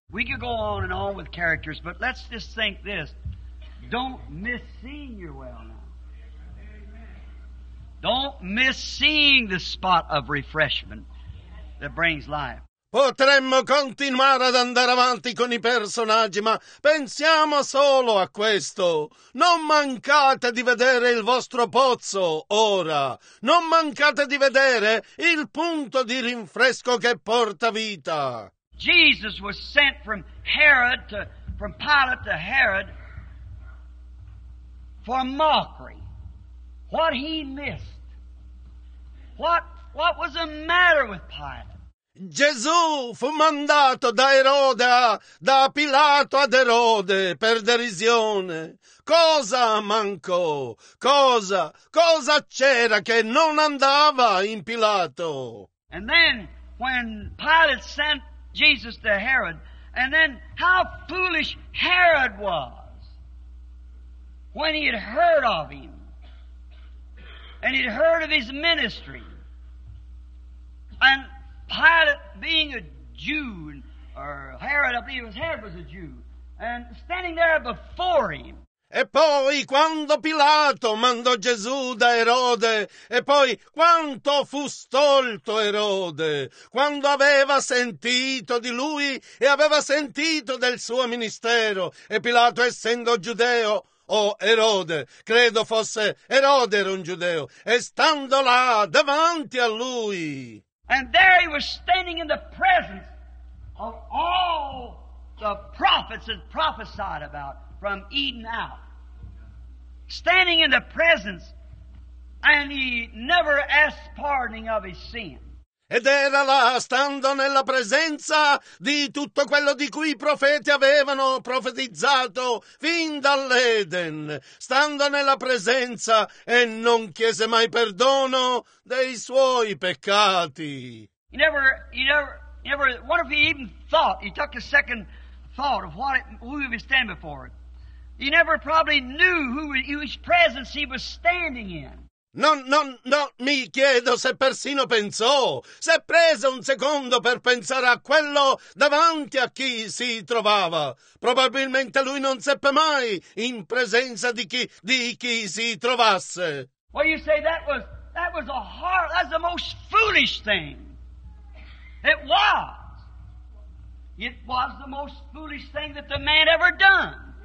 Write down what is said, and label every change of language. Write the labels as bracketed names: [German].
[English] We could go on and on with characters, but let's just think this. Don't miss seeing your well now. Don't miss seeing the spot of refreshment that brings life. [Italian] Potremmo continuare ad andare avanti con i personaggi, ma pensiamo solo a questo. Non mancate di vedere il vostro pozzo ora. Non mancate di vedere il punto di rinfresco che porta vita. [English] Jesus was sent from Herod to, from Pilate to Herod for mockery. What he missed. What was the matter with Pilate? [Italian] Gesù fu mandato da Erode da Pilato ad Erode per derisione. Cosa mancò? Cosa c'era che non andava in Pilato? [English] And then when Pilate sent Jesus to Herod, and then how foolish Herod was when he had heard of him and he'd heard of his ministry. And Pilate being a Jew, or Herod, I believe it was Herod was a Jew, and standing there before him. [Italian] E poi quando Pilato mandò Gesù da Erode, e poi quanto fu stolto Erode, quando aveva sentito di lui e aveva sentito del suo ministero, e Pilato essendo giudeo, Erode, credo fosse Erode era un giudeo, e stando là davanti a lui. [English] And there he was standing in the presence of all the prophets that prophesied about from Eden out. Standing in the presence, and he never asked pardoning of his sin. [Italian] Ed era là, stando nella presenza di tutto quello di cui i profeti avevano profetizzato fin dall'Eden. Stando nella presenza, e non chiese mai perdono dei suoi peccati. [English] He never, what if he even thought, he took a second thought of who he was standing before. He never probably knew whose presence he was standing in. [Italian] No, mi chiedo se persino pensò, se prese un secondo per pensare a quello davanti a chi si trovava. Probabilmente lui non seppe mai in presenza di chi si trovasse. [English] Well, you say that was the most foolish thing. It was. It was the most foolish thing that the man ever done.